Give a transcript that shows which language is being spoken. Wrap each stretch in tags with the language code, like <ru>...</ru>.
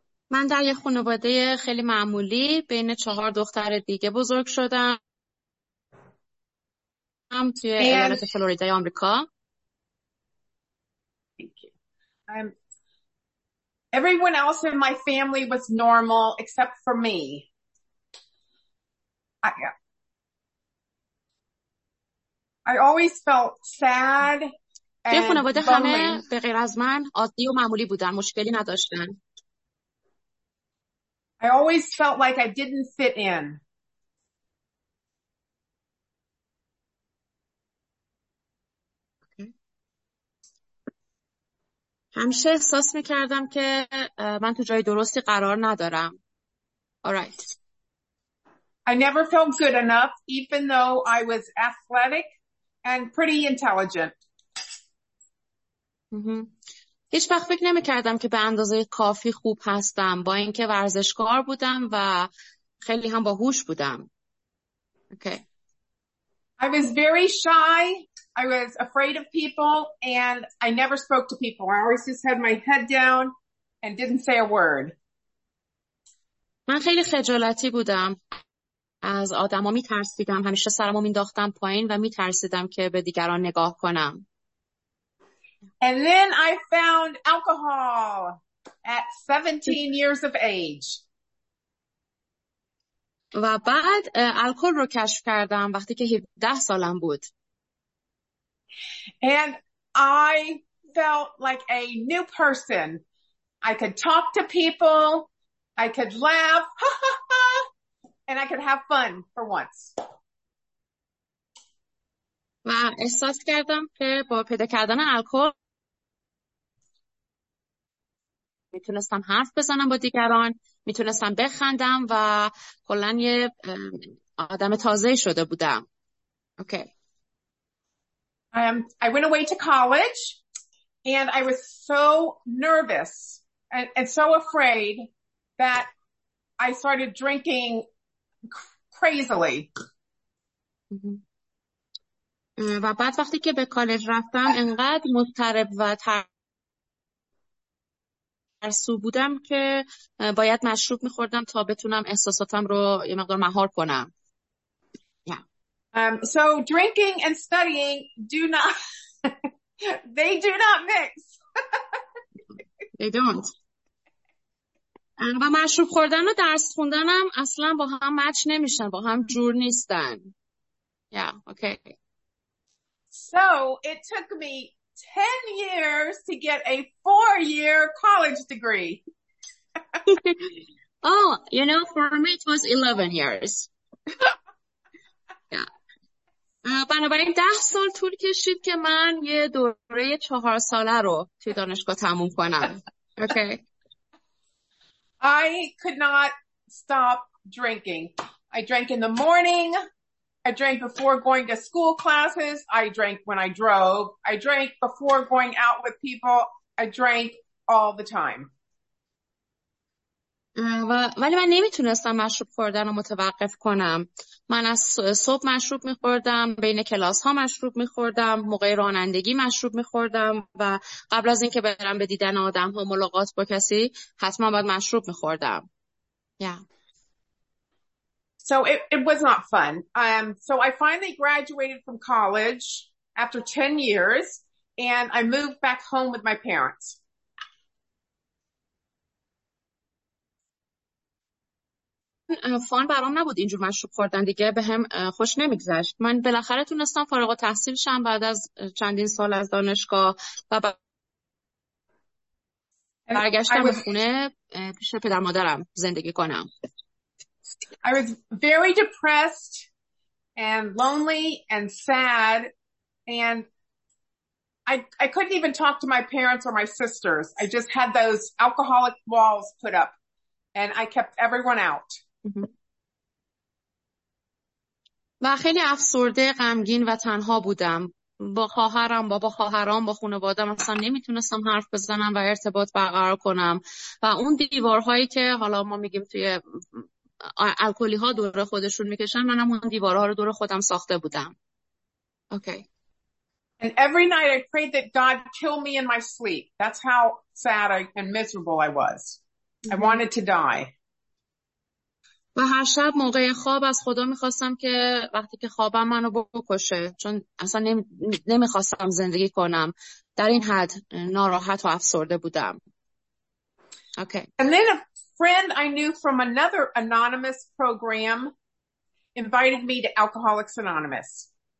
<fa>من در یه خانواده خیلی معمولی بین چهار دختر دیگه بزرگ شدم. هم توی ایالت فلوریدا آمریکا.</fa> <en>Everyone else in my family was normal except for me. I always felt sad and</en> <fa>توی خانواده همه به غیر از من عادی و معمولی بودن، مشکلی نداشتن.</fa> <en>I always felt like I didn't fit in.</en> <fa>همیشه احساس میکردم که من تو جای درستی قرار ندارم.</fa> <en>Alright. I never felt good enough, even though I was athletic and pretty intelligent.</en> <fa>هیچ وقت فکر نمیکردم که به اندازه کافی خوب هستم، با اینکه ورزشکار بودم و خیلی هم باهوش بودم.</fa> <en>Okay. I was very shy. I was afraid of people and I never spoke to people. I always just had my head down and didn't say a word.</en> <fa>من خیلی خجالتی بودم. از آدما میترسیدم، همیشه سرمو مینداختم پایین و میترسیدم که به دیگران نگاه کنم.</fa> <en>And then I found alcohol at 17 years of age.</en> <fa>و بعد الکل رو کشف کردم وقتی که 17 سالم بود.</fa> <en>And I felt like a new person. I could talk to people, I could laugh, and I could have fun for once.</en> <fa>و احساس کردم که با پیدا کردن الکل میتونستم حرف بزنم با دیگران، میتونستم بخندم و کلاً یه آدم تازه شده بودم.</fa> <en>Okay. I went away to college and I was so nervous and so afraid that I started drinking crazily.</en> <fa>و بعد وقتی که به کالج رفتم انقدر مضطرب و ترسو بودم که باید مشروب می‌خوردم تا بتونم احساساتم رو یه مقدار مهار کنم.</fa> <en>So drinking and studying do not, they do not mix. They don't.</en> <fa>و مشروب خوردن و درس خوندن هم اصلا با هم مچ نمیشن، با هم جور نیستن.</fa> <en>Yeah, okay. So it took me 10 years to get a 4-year college degree. Oh, you know, for me it was 11 years.</en> <fa>بنابراین 10 سال طول کشید که من یه دوره 4 ساله رو توی دانشگاه تموم کنم.</fa> <en>Okay. I could not stop drinking. I drank in the morning. I drank before going to school classes. I drank when I drove. I drank before going out with people. I drank all the time.</en> <fa>ولی من نمیتونستم مشروب خوردن رو متوقف کنم. من از صبح مشروب میخوردم، بین کلاس ها مشروب میخوردم، موقع رانندگی مشروب میخوردم و قبل از اینکه برم به دیدن آدم ها، ملاقات با کسی، حتما باید مشروب میخوردم.</fa> <en>Yeah. So it was not fun. So I finally graduated from college after 10 years and I moved back home with my parents.</en> <fa>فان برام نبود اینجور مشروب خوردن، دیگه به هم خوش نمیگذشت. من بالاخره تونستم فارغ التحصیل شم بعد از چندین سال از دانشگاه و برگشتم به خونه پیش پدر مادرم زندگی کنم.</fa> <en>I was very depressed and lonely and sad and I couldn't even talk to my parents or my sisters. I just had those alcoholic walls put up and I kept everyone out.</en> <fa>و خیلی افسرده، غمگین و تنها بودم. با خواهرم، با خواهرام، با خانواده‌ام اصلا نمیتونستم حرف بزنم و ارتباط برقرار کنم. و اون دیوارهایی که حالا ما میگیم توی الکلی‌ها دور خودشون میکشن، منم اون دیوارها رو دور خودم ساخته بودم.</fa> <en>Okay. And every night I prayed that God kill me in my sleep. That's how sad and miserable I was. I wanted to die.</en> <fa>و هر شب موقع خواب از خدا میخواستم که وقتی که خوابم منو بکشه، چون اصلا نمیخواستم زندگی کنم. در این حد ناراحت و افسرده بودم.</fa> <en>Okay. And then a friend I knew from another anonymous program invited me to Alcoholics Anonymous.</en>